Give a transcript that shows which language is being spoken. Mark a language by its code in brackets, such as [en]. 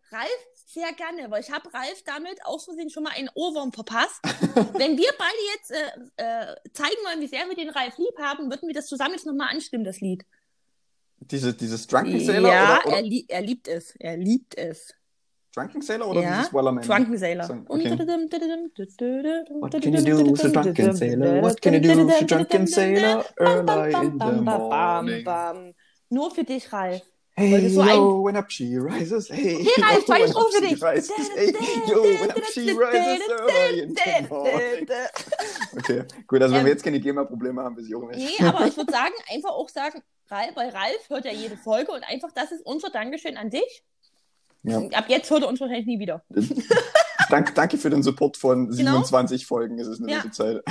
[de] Ralf, sehr gerne, weil ich habe Ralf damit auch so gesehen schon mal einen Ohrwurm verpasst. Wenn wir beide jetzt zeigen wollen, wie sehr wir den Ralf lieb haben, würden wir das zusammen jetzt nochmal anstimmen, das Lied. Dieses Drunken Sailor? Ja, oder? Er liebt es. Drunken Sailor oder ja, dieses Wellerman? Drunken Sailor. Okay. [en] What can you do with a drunken sailor? What can you do with a drunken sailor early in the morning? [de] Nur für dich, Ralf. [en] Hey, yo, when up she rises, hey. [de] Hey, Ralf, zwei Strophen für dich. [en] Hey, yo, when up she rises, hey. [de] Okay, gut, also wenn wir jetzt keine GEMA-Probleme haben, wir sie auch nicht. Nee, aber ich würde sagen, einfach auch sagen, Ralf, weil Ralf hört ja jede Folge und einfach, das ist unser Dankeschön an dich. Ja. Ab jetzt hört er uns wahrscheinlich nie wieder. Danke für den Support von 27 genau. Folgen, ist es eine gute Zeit.